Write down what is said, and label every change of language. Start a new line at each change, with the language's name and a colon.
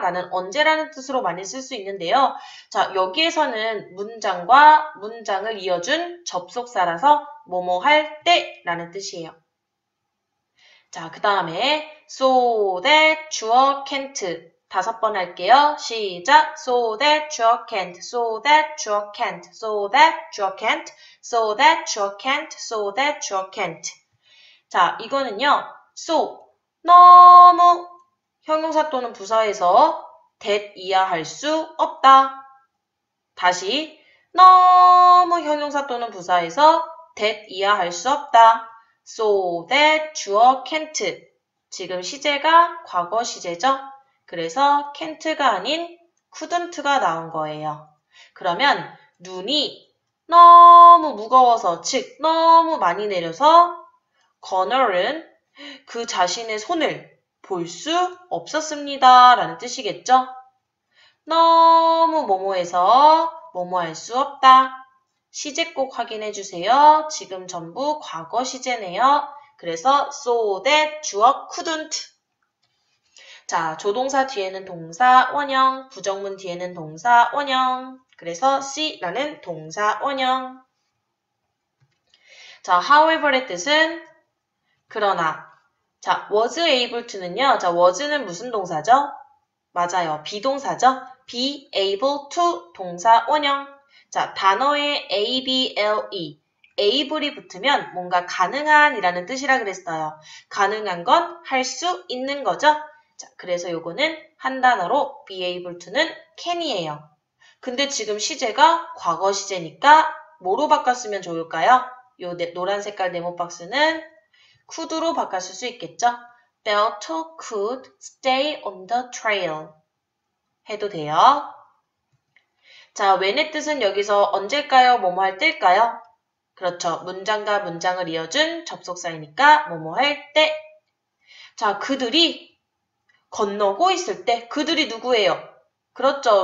Korean: 라는 언제라는 뜻으로 많이 쓸수 있는데요. 자, 여기에서는 문장과 문장을 이어준 접속사라서 뭐뭐 할 때라는 뜻이에요. 자, 그 다음에 so that 주어 can't 다섯 번 할게요. 시작.
English: so that 주어 can't, so that 주어 can't, so that 주어 can't, so that 주어 can't, so that 주어 can't.
Korean: 자, 이거는요. so 너무 형용사 또는 부사에서 that 이하할 수 없다. 다시 너무 형용사 또는 부사에서 that 이하할 수 없다.
English: So that 주어 can't.
Korean: 지금 시제가 과거 시제죠? 그래서 can't가 아닌 couldn't가 나온 거예요. 그러면 눈이 너무 무거워서, 즉 너무 많이 내려서 Connor은 그 자신의 손을 볼수 없었습니다. 라는 뜻이겠죠? 너무 뭐뭐해서 뭐뭐 할수 없다. 시제 꼭 확인해 주세요. 지금 전부 과거 시제네요. 그래서
English: so that 주어 couldn't.
Korean: 자, 조동사 뒤에는 동사 원형, 부정문 뒤에는 동사 원형. 그래서 C라는 동사 원형. 자, however의 뜻은 그러나. 자, was able to는요. 자, was는 무슨 동사죠? 맞아요. 비동사죠. be able to 동사 원형. 자, 단어에 able, able이 붙으면 뭔가 가능한이라는 뜻이라 그랬어요. 가능한 건할수 있는 거죠. 자, 그래서 요거는 한 단어로 be able to는 can이에요. 근데 지금 시제가 과거 시제니까 뭐로 바꿨으면 좋을까요? 요 노란 색깔 네모 박스는 could로 바꿨을 수 있겠죠?
English: Belto could stay on the trail.
Korean: 해도 돼요. 자, when의 뜻은 여기서 언제일까요? 뭐뭐 할 때일까요? 그렇죠. 문장과 문장을 이어준 접속사이니까 뭐뭐 할 때. 자, 그들이 건너고 있을 때. 그들이 누구예요? 그렇죠.